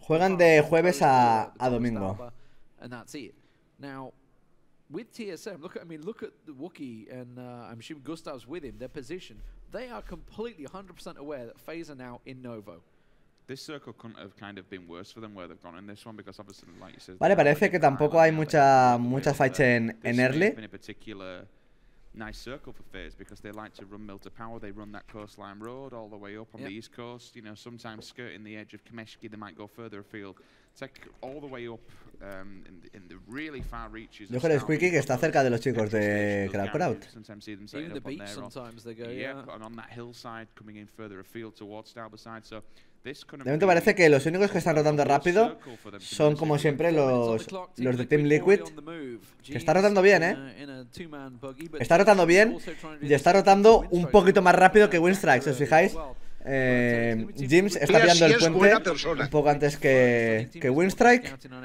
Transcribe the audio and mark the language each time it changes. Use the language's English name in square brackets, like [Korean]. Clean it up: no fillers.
[Spanish] Juegan de jueves a domingo. [English] And that's it. Now, with TSM, look at the Wookiee, and I'm assuming Gustav's with him, their position. They are completely 100% aware that FaZe are now in Novo. This circle couldn't have kind of been worse for them where they've gone in this one, because obviously, like you said... [Spanish] Vale, parece que tampoco hay mucha fights en early. [English] This has been a particular... nice circle for FaZe, because they like to run Milta Power, they run that coastline road all the way up on the east coast, you know, sometimes skirting the edge of Kameshki, they might go further afield, take all the way up in the really far reaches. [Spanish] Yo creo que Squeaky que está cerca de los chicos de Crowd. [English] Sometimes see them set even up the beach there sometimes on, they go, yeah. And on that hillside coming in further afield towards Stalberside, so... [Spanish] De momento parece que los únicos que están rotando rápido son, como siempre, los de Team Liquid, que está rotando bien, ¿eh? Está rotando bien y está rotando un poquito más rápido que Winstrike, si os fijáis. James está pillando el puente un poco antes que Winstrike.